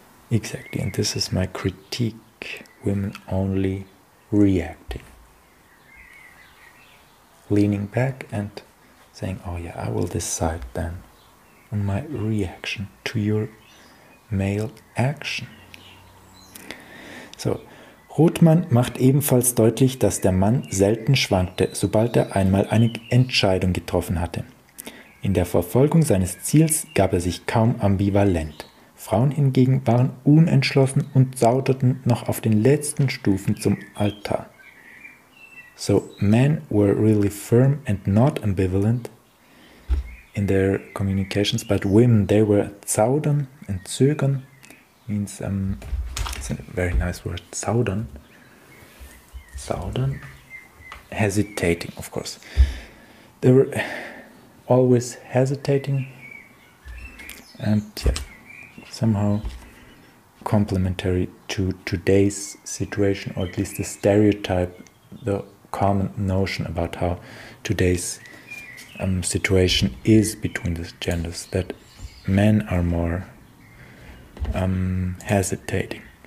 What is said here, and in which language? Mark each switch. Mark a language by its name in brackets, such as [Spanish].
[English] Exactly, and this is my critique. Women only reacting. Leaning back and saying, oh yeah, I will decide then on my reaction to your male action. [German] So, Rothmann macht ebenfalls deutlich, dass der Mann selten schwankte, sobald er einmal eine Entscheidung getroffen hatte. In der Verfolgung seines Ziels gab er sich kaum ambivalent. Frauen hingegen waren unentschlossen und zauderten noch auf den letzten Stufen zum Altar. [English] So men were really firm and not ambivalent in their communications, but women, they were zaudern and zögern, means, it's a very nice word, zaudern. Zaudern, hesitating, of course. They were always hesitating and, yeah, somehow complementary to today's situation, or at least the stereotype, the common notion about how today's situation is between the genders, that men are more hesitating.